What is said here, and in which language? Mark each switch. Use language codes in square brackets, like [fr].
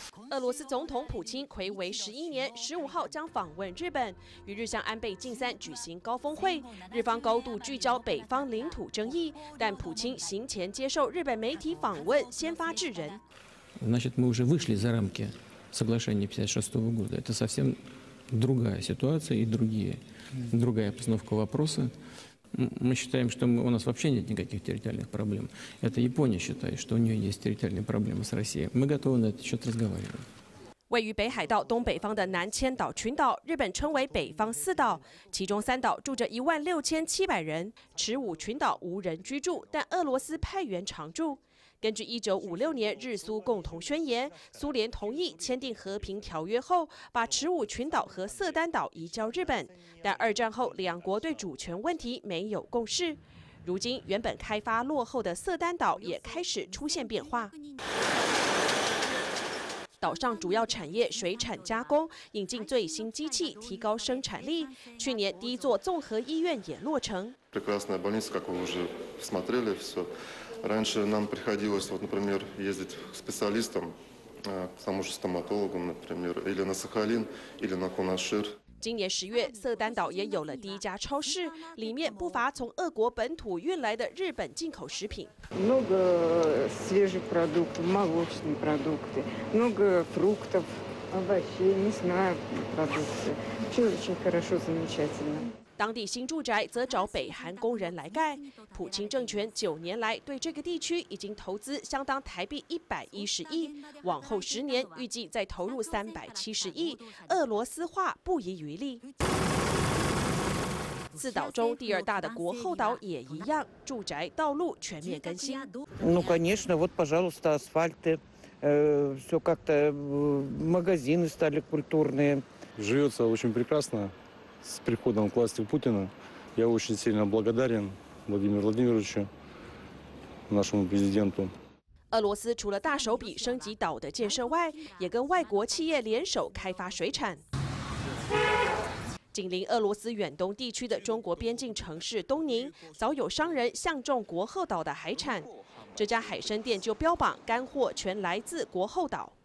[zh] 俄罗斯总统普京暌违11年，15号将访问日本，与日向安倍晋三举行高峰会。日方高度聚焦北方领土争议，但普京行前接受日本媒体访问，先发制人。 [ru] значит мы уже вышли за рамки соглашения 56 года. Это совсем другая ситуация и другая постановка вопроса. Мы считаем, что у нас вообще нет никаких территориальных проблем. Это Япония считает, что у нее есть территориальные проблемы с Россией. Мы готовы на этот счет разговаривать. [zh] 位于北海道东北方的南千岛群岛，日本称为北方四岛，其中三岛住着16700人，持武群岛无人居住，但俄罗斯派员常住。根据1956年日苏共同宣言，苏联同意签订和平条约后，把持武群岛和色丹岛移交日本，但二战后两国对主权问题没有共识。如今原本开发落后的色丹岛也开始出现变化。岛上主要产业水产加工，引进最新机器提高生产力，去年第一座综合医院也落成。 [ru] Раньше нам приходилось, вот, например, ездить к специалистам, к тому же стоматологу, например, или на Сахалин, или на Кунашир. [zh] 今年十月，色丹岛也有了第一家超市，里面不乏从俄国本土运来的日本进口食品。 [ru] много свежих продуктов, молочные продукты, много фруктов, овощей, мясные продукты. Все очень хорошо, замечательно. [zh] 当地新住宅则找北韩工人来盖。普京政权9年来对这个地区已经投资相当台币110亿，往后10年预计再投入370亿。俄罗斯化不遗余力。四岛中第二大的国后岛也一样，住宅道路全面更新。 [ru] Ну конечно, вот пожалуйста, асфальты, все как-то магазины стали культурные. Живется очень прекрасно. С приходом к власти Путина я очень сильно благодарен Владимиру Владимировичу, нашему президенту. [zh] 俄罗斯除了大手笔升级岛的建设外，也跟外国企业联手开发水产。紧邻俄罗斯远东地区的中国边境城市东宁，早有商人相中国后岛的海产，这家海参店就标榜干货全来自国后岛。